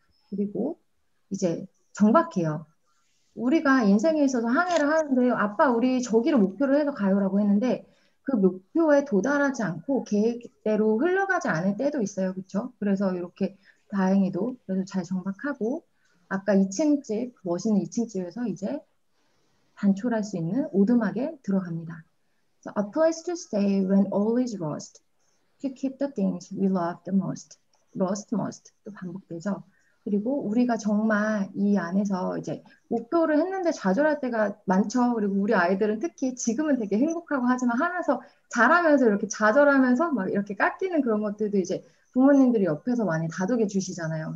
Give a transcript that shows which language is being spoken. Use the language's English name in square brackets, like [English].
[Korean] 그리고 이제 정박해요. 우리가 인생에 있어서 항해를 하는데 아빠 우리 저기로 목표를 해서 가요라고 했는데 그 목표에 도달하지 않고 계획대로 흘러가지 않을 때도 있어요. 그렇죠? 그래서 이렇게 다행히도 그래도 잘 정박하고 아까 2층 집, 멋있는 2층 집에서 이제 단촐할 수 있는 오두막에 들어갑니다. [English] So, a place to stay when all is rust, to keep the things we love the most. Rust must. [Korean] 또 반복되죠. 그리고 우리가 정말 이 안에서 이제 목표를 했는데 좌절할 때가 많죠. 그리고 우리 아이들은 특히 지금은 되게 행복하고 하지만 하면서 자라면서 이렇게 좌절하면서 막 이렇게 깎이는 그런 것들도 이제 부모님들이 옆에서 많이 다독여 주시잖아요.